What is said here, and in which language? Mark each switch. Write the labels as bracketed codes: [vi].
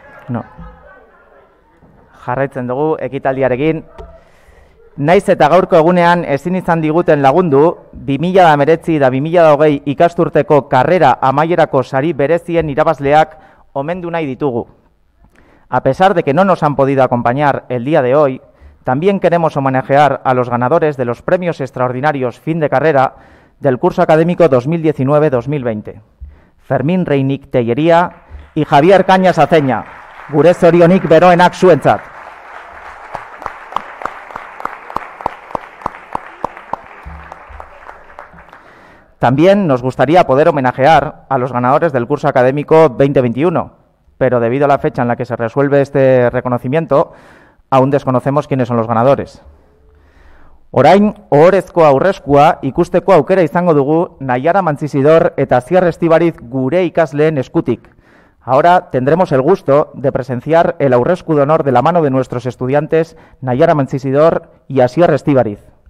[eu] No. Jarraitzen dugu ekitaldiarekin. Naiz eta gaurko egunean ezin izan diguten lagundu, 2019 eta 2020 ikasturteko karrera amaierako sari berezien irabazleak omendu nahi ditugu. [es] A pesar de que no nos han podido acompañar el día de hoy, también queremos homenajear a los ganadores de los premios extraordinarios fin de carrera del curso académico 2019-2020. [eu] Fermín Reinik Tellería y Javier Cañas Aceña, gure zorionik beroenak zuentzat. [es] También nos gustaría poder homenajear a los ganadores del curso académico 2021, pero debido a la fecha en la que se resuelve este reconocimiento, aún desconocemos quiénes son los ganadores. [eu] Orain, ohorezko aurreskua ikusteko aukera izango dugu Naiara Mantzisidor eta Asier Estibariz gure ikasleen eskutik. [es] Ahora tendremos el gusto de presenciar el aurreskudo de honor de la mano de nuestros estudiantes Naiara Mantzisidor y Asier Estibariz.